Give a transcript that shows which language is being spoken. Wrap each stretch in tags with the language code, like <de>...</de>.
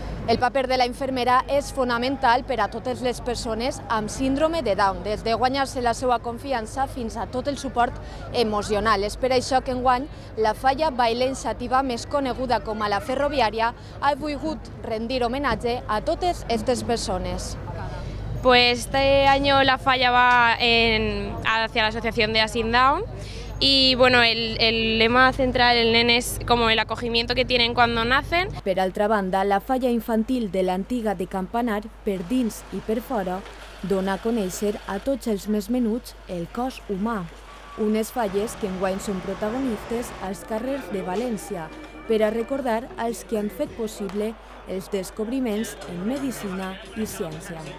<es>El papel de la enfermera es fundamental para a todas las personas con síndrome de Down, desde</es> <ca>guanyar-se la seva confianza fins a</ca> <es>todo el suport emocional.</es> <ca>Es per això que enguany la falla bailensativa més coneguda com a la ferroviària ha volgut rendir homenatge a totes aquestes persones.</ca> <es>Pues este año la falla va hacia la Asociación de Asin Down y bueno, el lema central del nen es como el acogimiento que tienen cuando nacen.</es> <ca>Per altra banda, la falla infantil de l'antiga de Campanar, per dins i per fora, dona a conèixer a tots els més menuts el cos humà. Unes falles que enguany són protagonistes als carrers de València per a recordar als que han fet possible els descobriments en medicina i ciència.</ca>